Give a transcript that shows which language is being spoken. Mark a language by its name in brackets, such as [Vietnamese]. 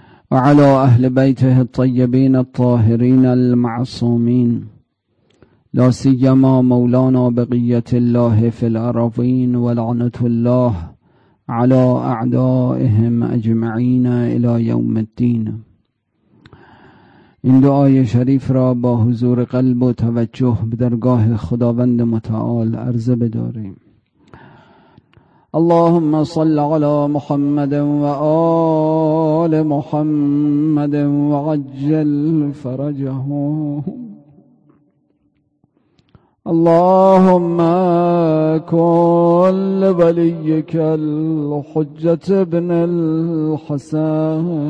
[Arabic] وعلى أهل بيته الطيبين الطاهرين المعصومين، لا سيما مولانا بقية الله في الأراضين، ولعنة الله على أعدائهم أجمعين إلى يوم الدين. [Persian] إن دعاي شريف را با حضور قلب و توجه بدرگاه خداوند متعال عرض بداریم. [Arabic] اللهم صل على محمد وآل محمد وعجل فرجه. اللهم كن لوليك الحجة ابن الحسن